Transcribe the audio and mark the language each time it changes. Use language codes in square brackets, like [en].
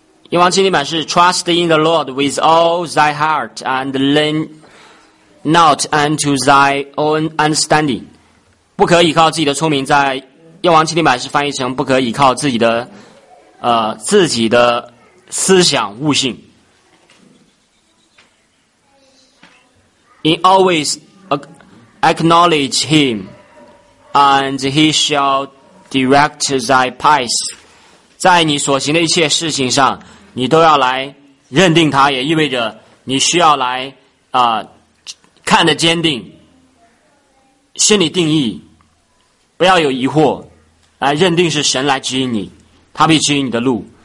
[zh] 英文经典版是 [en] Trust in the Lord with all thy heart and lean not unto thy own understanding. [zh] 不可依靠自己的聪明，在英文经典版是翻译成不可依靠自己的自己的思想悟性。 [en] In always acknowledge him, and he shall direct thy paths. [zh] 在你所行的一切事情上，你都要来认定他，也意味着你需要来看得坚定，心里定义，不要有疑惑，来认定是神来指引你，他必指引你的路。